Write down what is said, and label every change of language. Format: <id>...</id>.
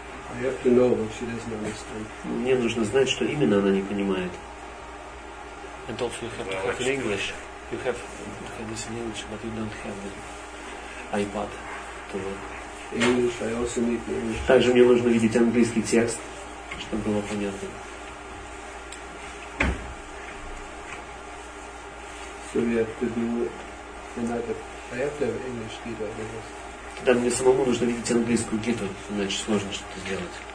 <en>I have to know what she doesn't understand.</en> <ru>Мне нужно знать, что именно она не понимает.</ru> <en>And also you have to have in English. You have this in English, but you don't have the iPad. English, I also need English.</en> <ru>Также мне нужно видеть английский текст, чтобы было понятно.</ru> <en>So we have to do another. I have to have English Gita, I guess.</en> <ru>Тогда мне самому нужно видеть английскую гиту, иначе сложно что-то сделать.</ru>